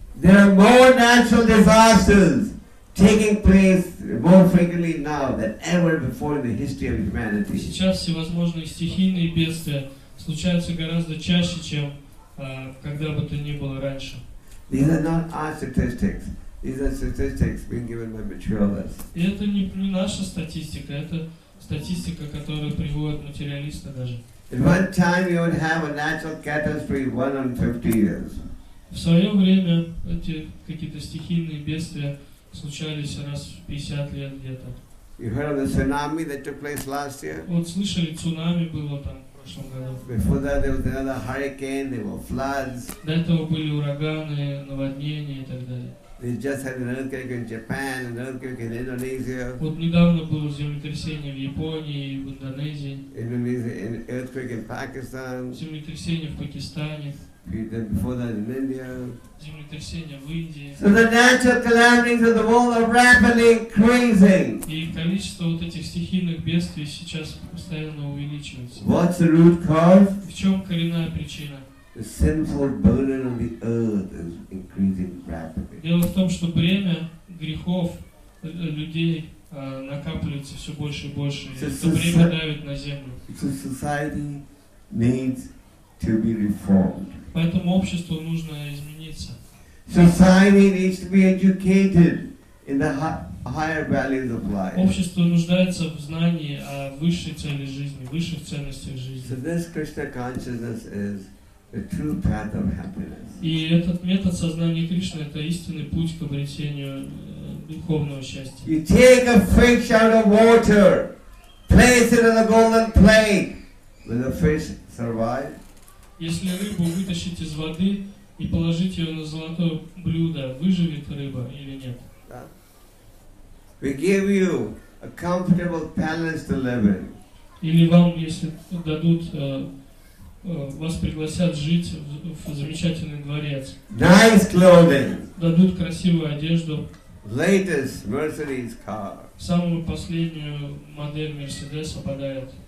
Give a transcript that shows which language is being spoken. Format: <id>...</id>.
<en>There are more natural disasters taking place more frequently now than ever before in the history of humanity.</en> <ru>Сейчас всевозможные стихийные бедствия случаются гораздо чаще, чем когда бы то ни было раньше.</ru> <en>These are not our statistics. These are statistics being given by materialists.</en> <ru>И это не наша статистика, это статистика, которую приводят материалисты даже.</ru> <en>At one time you would have a natural catastrophe 1 in 50 years.</en> <ru>В свое время эти какие-то стихийные бедствия случались раз в 50 лет где-то.</ru> <en>You heard of the tsunami that took place last year?</en> <ru>Вот слышали, цунами было там в прошлом году.</ru> <en>Before that there was another hurricane, there were floods.</en> <ru>До этого были ураганы, наводнения и так далее.</ru> <en>They just had an earthquake in Japan, an earthquake in Indonesia.</en> <ru>Вот недавно было землетрясение в Японии и в Индонезии.</ru> <en>Indonesia, an earthquake in Pakistan.</en> <ru>Землетрясение в Пакистане.</ru> <en>Before that in India.</en> <ru>Землетрясение в Индии.</ru> <en>So the natural calamities of the world are rapidly increasing.</en> <ru>И количество вот этих стихийных бедствий сейчас постоянно увеличивается.</ru> <en>What's the root cause?</en> <ru>В чем коренная причина?</ru> <en>The sinful burden of the earth is increasing rapidly.</en> <ru>Дело в том, что бремя грехов людей накапливается все больше и больше. Это бремя давит на землю.</ru> <en>Society needs to be reformed.</en> <ru>Поэтому обществу нужно измениться.</ru> <en>Society needs to be educated in the higher values of life.</en> <ru>Общество нуждается в знании о высшей цели жизни, высших ценностях жизни.</ru> <en>So this Krishna consciousness is the true path of happiness.</en> <ru>И этот метод сознания Кришны — это истинный путь к обретению духовного счастья.</ru> <en>You take a fish out of water, place it in a golden plate. Will the fish survive?</en> <ru>Если рыбу вытащить из воды и положить ее на золотое блюдо, выживет рыба или нет?</ru> <en>We give you a comfortable palace to live in.</en> <ru>Или вам, если дадут, вас пригласят жить в замечательный дворец.</ru> <en>Nice clothing.</en> <ru>Дадут красивую одежду.</ru> <en>Latest Mercedes car.</en> <ru>Самую последнюю модель Мерседеса подают.</ru>